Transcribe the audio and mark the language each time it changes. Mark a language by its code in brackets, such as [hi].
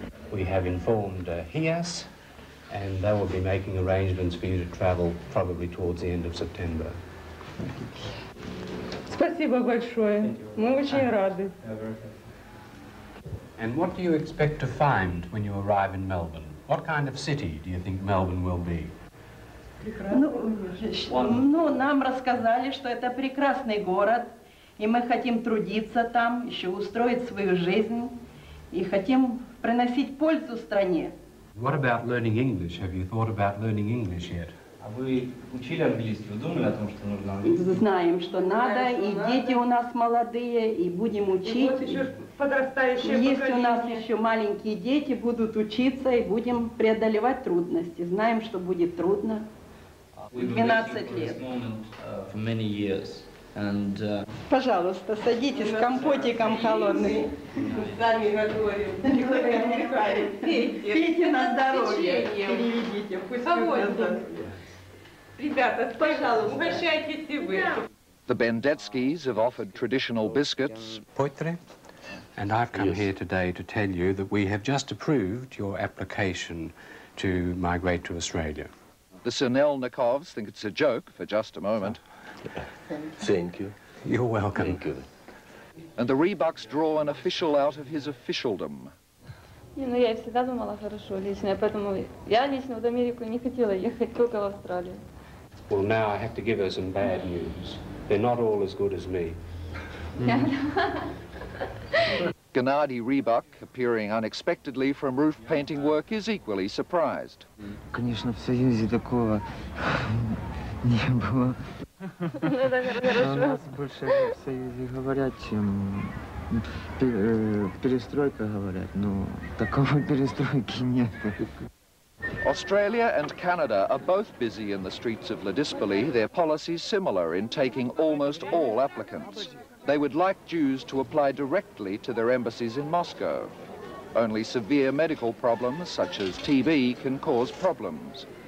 [en] We have informed HIAS, and they will be making arrangements for you to travel probably towards the end of September. [ru] Спасибо большое. Мы очень рады. [en] And what do you expect to find when you arrive in Melbourne? What kind of city do you think Melbourne will be? [ru] Ну, нам рассказали, что это прекрасный город, и мы хотим трудиться там, еще устроить свою жизнь, и хотим приносить пользу стране. [en] What about learning English? Have you thought about learning English yet? [ru] А вы учили английский? Вы думали о том, что нужно английский? Знаем, что надо, и дети у нас молодые, и будем учить. Есть у нас еще маленькие дети, будут учиться и будем преодолевать трудности. Знаем, что будет трудно. 12 лет. [en] For many years. And, [ru] пожалуйста, садитесь с компотиком холодным. Сами готовим. Пейте на здоровье. Переведите. Ребята, пожалуйста, угощайтесь и вы. [en] The Bendetskys have offered traditional biscuits. Poitre. And I've come here today to tell you that we have just approved your application to migrate to Australia. The Sernelnikovs think it's a joke for just a moment. Thank you. You're welcome. Thank you. And the Reeboks draw an official out of his officialdom. [ru] Ну я всегда думала хорошо лично, поэтому я лично в Америку не хотела ехать, только в Австралию. [en] Well, now I have to give her some bad news. They're not all as good as me. Gennady Reebok, appearing unexpectedly from roof painting work, is equally surprised. [ru] Конечно, в Союзе такого не было. У нас больше в Союзе говорят, чем перестройка говорят, но такого перестройки нет. [en] Australia and Canada are both busy in the streets of Ladispoli, their policies similar in taking almost all applicants. They would like Jews to apply directly to their embassies in Moscow. Only severe medical problems, such as TB, can cause problems.